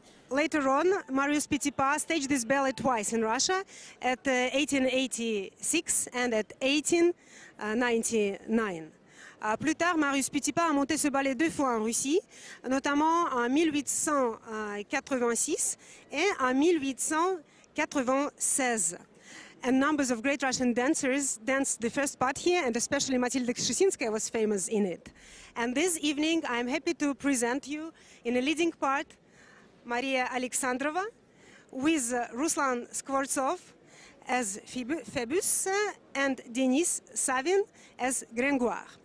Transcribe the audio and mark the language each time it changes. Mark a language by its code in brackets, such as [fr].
[en] Later on, Marius Petipa staged this ballet twice in Russia, at 1886 and at 1899. [fr] Plus tard, Marius Petipa a monté ce ballet deux fois en Russie, notamment en 1886 et en 1896. [en] And numbers of great Russian dancers danced the first part here, and especially Matilda Kshesinska was famous in it. And this evening, I'm happy to present you in a leading part, Maria Alexandrova, with Ruslan Skvortsov as Phoebus and Denis Savin as Gringoire.